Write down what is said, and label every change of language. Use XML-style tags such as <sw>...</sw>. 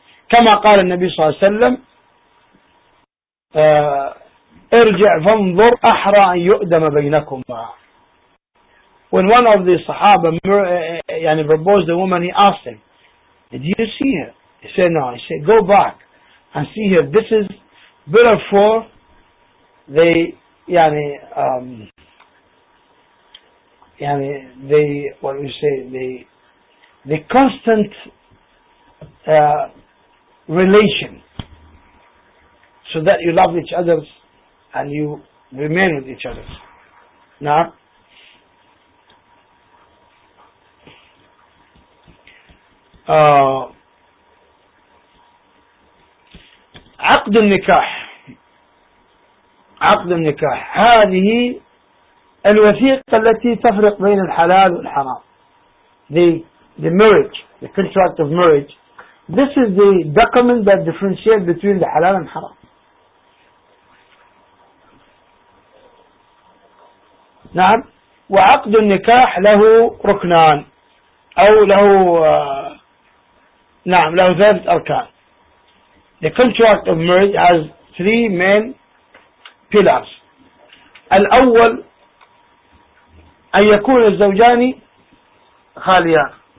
<ar>كما قال النبي صلى الله عليه وسلم ارجع فانظر أحرى أن يؤدم بينكما.</ar> <en>When one of the صحابة يعني proposed the woman, he asked him, did you see her? He said no. He said go back and see her, this is better for the يعني يعني the what we say the constant relation, so that you love each other and you remain with each other.</en> <ar>Now, عقد النكاح, عقد النكاح هذه الوثيقة التي تفرق بين الحلال والحرام.</ar> <en>The marriage, the contract of marriage, this is the document that differentiates between the halal and haram.</en> <ar>نعم. وعقد النكاح له ركنان أو له نعم له ثلاثة أركان.</ar> <en>The contract of marriage has three main pillars.</en> <ar>الأول أن يكون الزوجان خاليان.</ar>